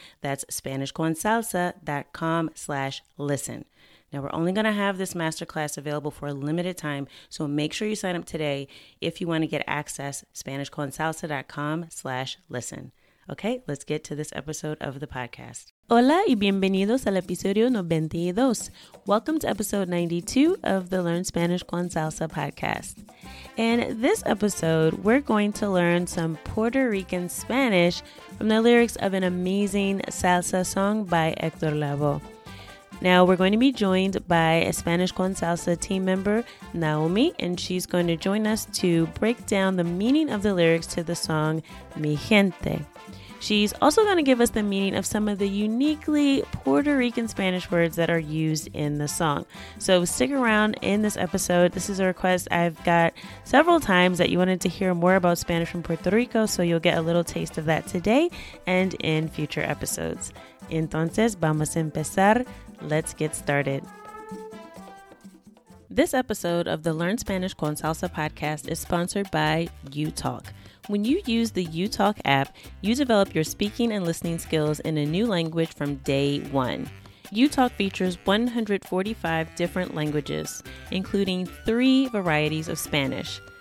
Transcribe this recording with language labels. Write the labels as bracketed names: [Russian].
[English] That's SpanishConSalsa.com/listen. Now, we're only going to have this masterclass available for a limited time, so make sure you sign up today if you want to get access, SpanishConSalsa.com/listen. Okay, let's get to this episode of the podcast. [Spanish] Hola y bienvenidos al episodio 92. [English] Welcome to episode 92 of the Learn Spanish con Salsa podcast. In this episode, we're going to learn some Puerto Rican Spanish from the lyrics of an amazing salsa song by Héctor Lavoe. Now, we're going to be joined by a Spanish con Salsa team member, Naomi, and she's going to join us to break down the meaning of the lyrics to the song, Mi Gente. She's also going to give us the meaning of some of the uniquely Puerto Rican Spanish words that are used in the song. So stick around in this episode. This is a request I've got several times that you wanted to hear more about Spanish from Puerto Rico, so you'll get a little taste of that today and in future episodes. [Spanish] Entonces, vamos a empezar. [English] Let's get started. This episode of the Learn Spanish con Salsa podcast is sponsored by Utalk. When you use the Utalk app, you develop your speaking and listening skills in a new language from day one. Utalk features 145 different languages, including 3 varieties of Spanish.